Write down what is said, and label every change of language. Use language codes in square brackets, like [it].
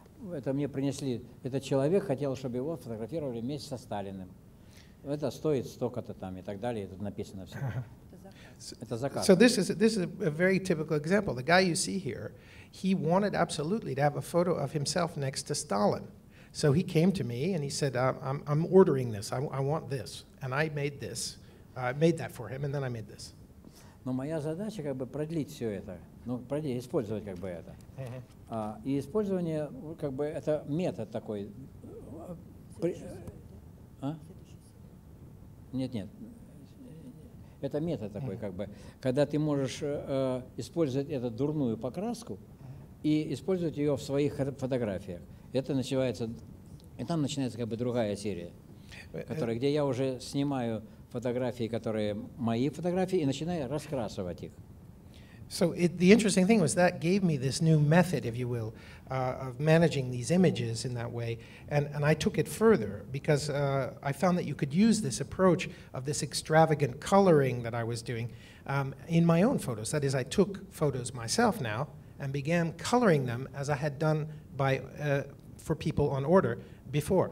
[ru] Это мне принесли. Этот человек хотел, чтобы его фотографировали вместе со Сталиным. Это стоит столько-то там и так далее. Это написано все. Это заказ. [en] So this is a very typical example. The guy you see here, he wanted absolutely to have a photo of himself next to Stalin. So he came to me and he said, I'm ordering this. I want this. And I made this. I made that for him, and then I made this. [ru] Но моя задача как бы продлить все это, ну продлить, использовать как бы это. И использование как бы это метод такой. Нет. Это метод такой как бы, когда ты можешь использовать эту дурную покраску и использовать ее в своих фотографиях. Это начинается, и там начинается как бы другая серия, которая, где я уже снимаю фотографии, которые мои фотографии, и начинаю раскрасывать их. [en] So the interesting thing was that gave me this new method, if you will, of managing these images in that way. And I took it further because I found that you could use this approach of this extravagant coloring that I was doing in my own photos. That is, I took photos myself now and began coloring them as I had done for people on order before.